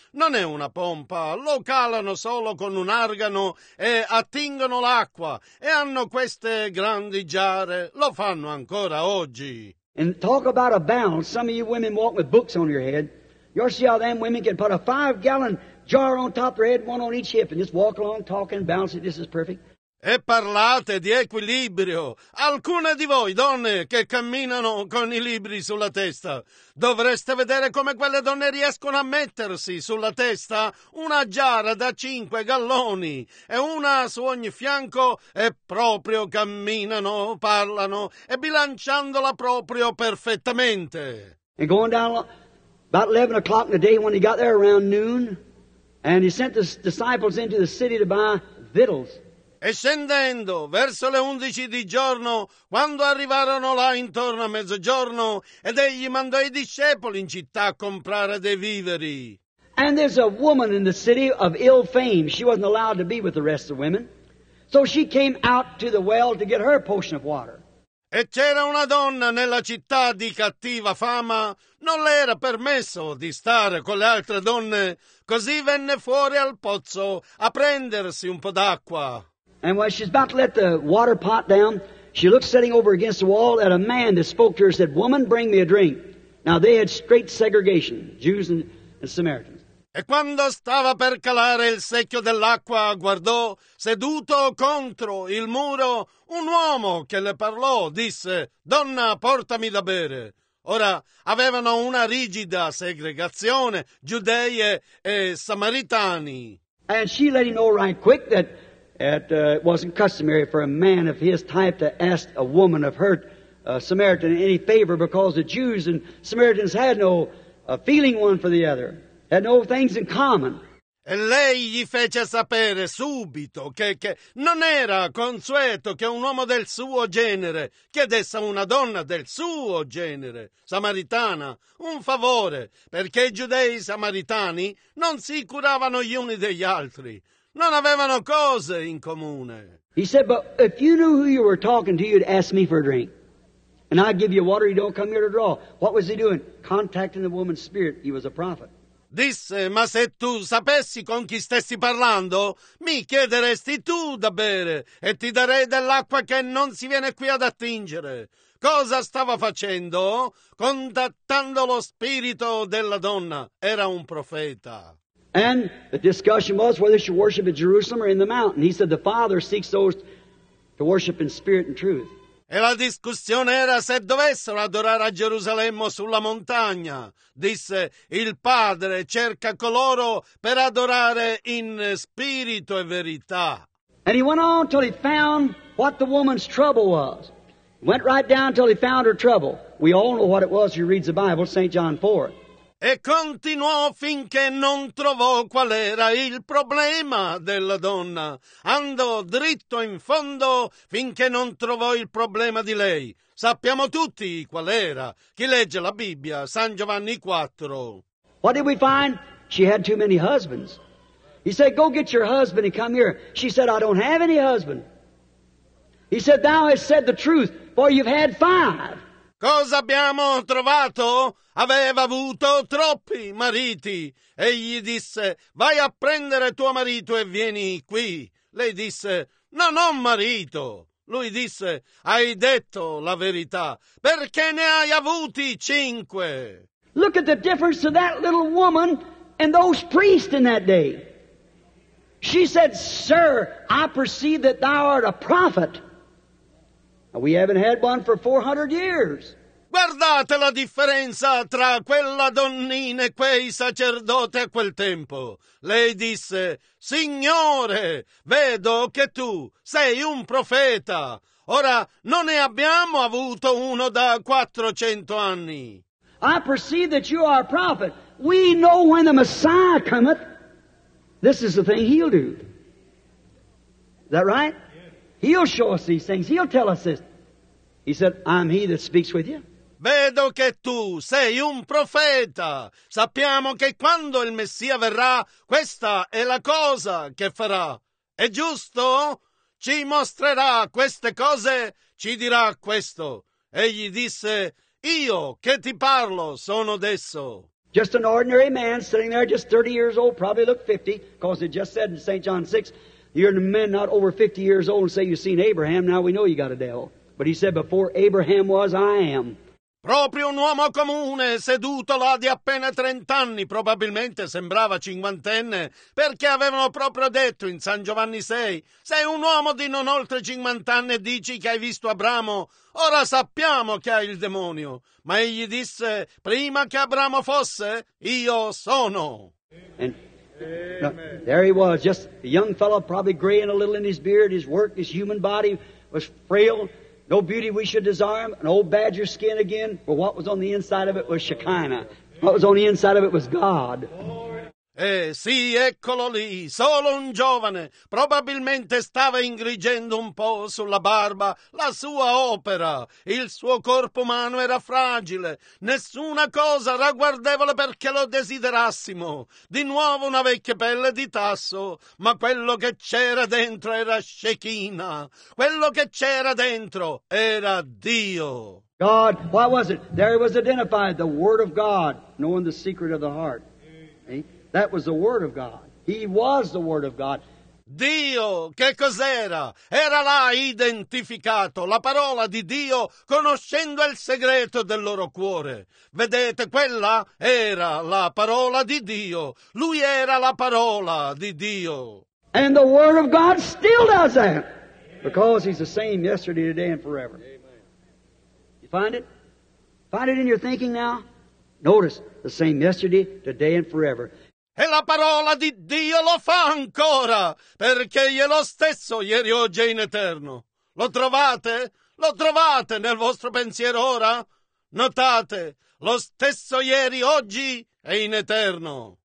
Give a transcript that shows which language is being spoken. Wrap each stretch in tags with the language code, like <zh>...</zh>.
<it>Non è una pompa, lo calano solo con un argano e attingono l'acqua e hanno queste grandi giare, lo fanno ancora oggi.</it> <en>And talk about a balance. Some of you women walk with books on your head. You'll see how them women can put a 5-gallon jar on top of their head, one on each hip, and just walk along talking, balance it. This is perfect.</en> <it>E parlate di equilibrio. Alcune di voi, donne, che camminano con i libri sulla testa, dovreste vedere come quelle donne riescono a mettersi sulla testa una giara da 5 galloni e una su ogni fianco e proprio camminano, parlano e bilanciandola proprio perfettamente.</it> <en>And going down about 11 o'clock in the day when he got there around noon and he sent the disciples into the city to buy victuals.</en> <it>E scendendo verso le 11 di giorno, quando arrivarono là intorno a mezzogiorno, ed egli mandò i discepoli in città a comprare dei viveri.</it> <en>And there's a woman in the city of ill fame. She wasn't allowed to be with the rest of women. So she came out to the well to get her portion of water.</en> <it>E c'era una donna nella città di cattiva fama, non le era permesso di stare con le altre donne, così venne fuori al pozzo a prendersi un po' d'acqua.</it> <en>And while she's about to let the water pot down, she looks sitting over against the wall at a man that spoke to her and said, "Woman, bring me a drink." Now they had straight segregation, Jews and Samaritans.</en> <it>E quando stava per calare il secchio dell'acqua, guardò, seduto contro il muro, un uomo che le parlò, disse, "Donna, portami da bere." Ora, avevano una rigida segregazione, giudei e samaritani.</it> <en>And she let him know right quick that it wasn't customary for a man of his type to ask a woman of her Samaritan any favor, because the Jews and Samaritans had no feeling one for the other, had no things in common.</en> <it>E lei gli fece sapere subito che non era consueto che un uomo del suo genere chiedesse a una donna del suo genere, samaritana, un favore, perché i giudei samaritani non si curavano gli uni degli altri, non avevano cose in comune.</it> <en>He said, but if you knew who you were talking to, you'd ask me for a drink. And I'd give you water, you don't come here to draw. What was he doing? Contacting the woman's spirit. He was a prophet.</en> <it>Disse, ma se tu sapessi con chi stessi parlando, mi chiederesti tu da bere e ti darei dell'acqua che non si viene qui ad attingere. Cosa stava facendo? Contattando lo spirito della donna. Era un profeta.</it> <en>And the discussion was whether she worship at Jerusalem or in the mountain. He said the Father seeks those to worship in spirit and truth.</en> <it>E la discussione era se dovessero adorare a Gerusalemme o sulla montagna. Disse, il Padre cerca coloro per adorare in spirito e verità.</it> <en>And he went on till he found what the woman's trouble was. Went right down till he found her trouble. We all know what it was, he reads the Bible, St. John 4.</en> <it>E continuò finché non trovò qual era il problema della donna. Andò dritto in fondo finché non trovò il problema di lei. Sappiamo tutti qual era. Chi legge la Bibbia, San Giovanni 4.</it> <en>What did we find? She had too many husbands. He said, go get your husband and come here. She said, I don't have any husband. He said, thou hast said the truth, for you've had five.</en> <it>Cosa abbiamo trovato? Aveva avuto troppi mariti. Egli disse, vai a prendere tuo marito e vieni qui. Lei disse, non ho marito. Lui disse, hai detto la verità, perché ne hai avuti cinque.</it> <en>Look at the difference of that little woman and those priests in that day. She said, sir, I perceive that thou art a prophet. We haven't had one for 400 years.</en> <it>Guardate la differenza tra quella donnina e quei sacerdoti a quel tempo. Lei disse, Signore, vedo che tu sei un profeta. Ora non ne abbiamo avuto uno da 400 anni.</it> <en>I perceive that you are a prophet. We know when the Messiah cometh, this is the thing he'll do. Is that right? He'll show us these things. He'll tell us this. He said, I'm he that speaks with you.</en> <it>Vedo che tu sei un profeta. Sappiamo che quando il Messia verrà, questa è la cosa che farà. È giusto? Ci mostrerà queste cose, ci dirà questo. Egli disse, io che ti parlo sono adesso.</it> <en>Just an ordinary man sitting there, just 30 years old, probably looked 50, because it just said in St. John 6, you're a man not over 50 years old and say you've seen Abraham, now we know you got a devil. But he said, before Abraham was, I am.</en> <it>Proprio un uomo comune, seduto là di appena 30 anni, probabilmente sembrava cinquantenne, perché avevano proprio detto in San Giovanni 6, sei un uomo di non oltre 50 anni e dici che hai visto Abramo, ora sappiamo che hai il demonio. Ma egli disse, prima che Abramo fosse, io sono.</it> <en>And no, there he was, just a young fellow, probably gray and a little in his beard, his work, his human body was frail. No beauty we should desire him, an old badger skin again, but what was on the inside of it was Shekinah. What was on the inside of it was God.</en> <it>Sì, eccolo lì, solo un giovane. Probabilmente stava ingrigendo un po' sulla barba la sua opera. Il suo corpo umano era fragile. Nessuna cosa ragguardevole perché lo desiderassimo. Di nuovo una vecchia pelle di tasso, ma quello che c'era dentro era Shekinah. Quello che c'era dentro era Dio.</it> <en>God, what was it? There it was identified, the Word of God, knowing the secret of the heart. That was the Word of God. He was the Word of God.</en> <it>Dio, che cos'era? Era là identificato, la parola di Dio, conoscendo il segreto del loro cuore. Vedete, quella era la parola di Dio. Lui era la parola di Dio.</it> <en>And the Word of God still does that. Because He's the same yesterday, today, and forever. Amen. You find it? Find it in your thinking now? Notice, the same yesterday, today, and forever.</en> <it>E la parola di Dio lo fa ancora, perché è lo stesso ieri, oggi e in eterno. Lo trovate? Lo trovate nel vostro pensiero ora? Notate, lo stesso ieri, oggi e in eterno.</it>